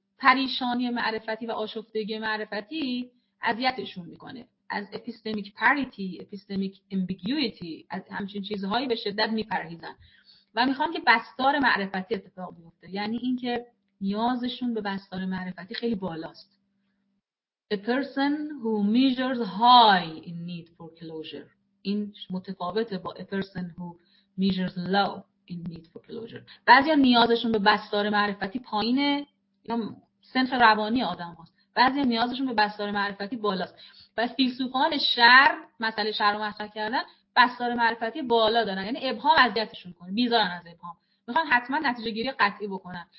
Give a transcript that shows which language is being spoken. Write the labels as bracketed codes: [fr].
[fa] پریشانی معرفتی و آشفتگی معرفتی اذیتشون میکنه، از اپیستمیک پاریتی، اپیستمیک امبیگیویتی، از همچین چیزهایی به شدت میپرهیزن و میخوان که بستار معرفتی اتفاق بیفته، یعنی اینکه نیازشون به بستار معرفتی خیلی بالاست. [en] A person who measures high in need for closure. [fa] این متفاوته با [en] a person who measures low in need for closure. [fa] بعضیا نیازشون به بستار معرفتی پایینه، سنخ روانی آدم هاست، بعضی نیازشون به بستار معرفتی بالاست. بس فیلسوفان شر مسئله شر رو مطرح کردن، بستار معرفتی بالا دارن، یعنی ابهام اذیتشون کنه، بیزارن از ابهام، میخوان حتما نتیجه گیری قطعی بکنن.